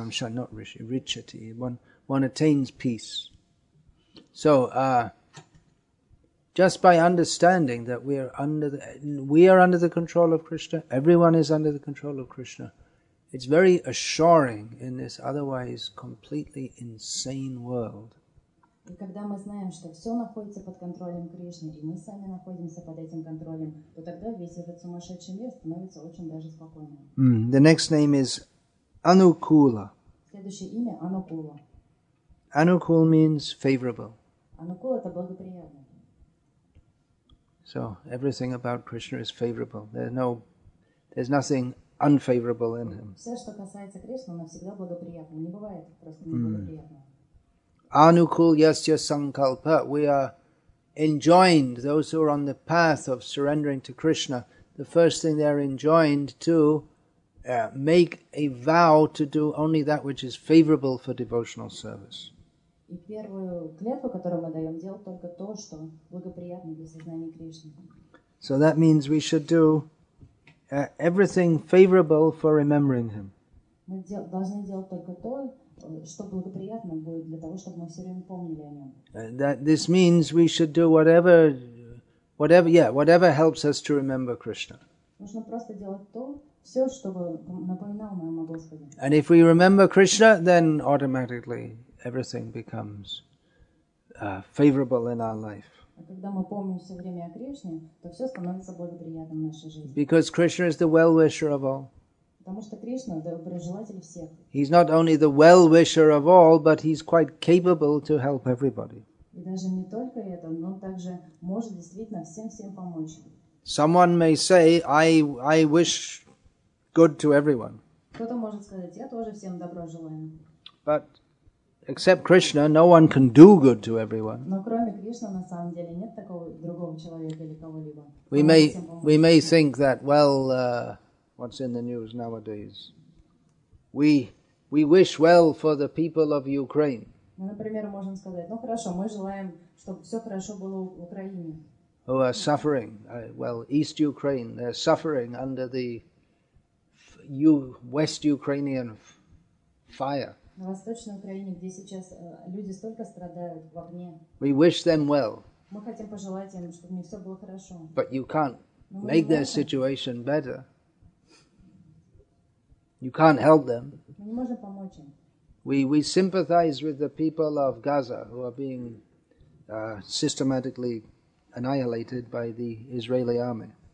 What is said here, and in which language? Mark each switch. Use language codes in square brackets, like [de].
[en] Not rishi, richati. One attains peace. So, just by understanding that we are under the control of Krishna, everyone is under the control of Krishna, it's very assuring in this otherwise completely insane world. [ru] И когда мы знаем, что все находится под контролем Кришны, и мы сами находимся под этим контролем, то тогда весь этот сумасшедший мир становится очень даже спокойным. [en] The next name is Anukula. [ru] Следующее имя – Anukula. [en] Anukula means favorable. [ru] Anukula – это благоприятно. [en] So, everything about Krishna is favorable. There's nothing unfavorable in him. [ru] Все, что касается Кришны, оно всегда благоприятно. Не бывает просто неблагоприятно. [sa] Anukul yasya sankalpa. [en] We are enjoined, those who are on the path of surrendering to Krishna, the first thing they are enjoined to make a vow to do only that which is favorable for devotional service. [ru] И первую клятву, которую мы даем, делать только то, что благоприятно для сознания Кришны. [en] So that means we should do everything favorable for remembering Him. [ru] Мы должны делать только то, что благоприятно будет для того, чтобы мы все время помнили о нем. [en] That this means we should do whatever helps us to remember Krishna. [ru] Нужно просто делать то, все, чтобы напоминало нам о Господе. [en] And if we remember Krishna, then automatically everything becomes favorable in our life. [ru] А когда мы помним все время о Кришне, то все становится благоприятным в нашей жизни. [en] Because Krishna is the well-wisher of all. [ru] Потому что Кришна доброжелатель всех. [en] He's not only the well-wisher of all, but he's quite capable to help everybody. [ru] И даже не только это, но также может действительно всем помочь. [en] Someone may say, I wish good to everyone. [ru] Кто-то может сказать, я тоже всем добро желаю. [en] But except Krishna, no one can do good to everyone. [ru] Но кроме Кришны на самом деле нет такого другого человека или кого-либо. [en] We may think that, well, what's in the news nowadays? We wish well for the people of Ukraine. [ru] Мы, например, можем сказать, ну хорошо, мы желаем, чтобы все хорошо было в Украине. [en] Who are suffering? Well, East Ukraine, they're suffering under the West Ukrainian fire. [ru] На Восточной Украине, где сейчас люди столько страдают в огне. [en] We wish them well. [ru] Мы хотим пожелать им, чтобы у них все было хорошо. [en] But you can't make their situation better. You can't help them. We sympathize with the people of Gaza who are being systematically annihilated by the Israeli army.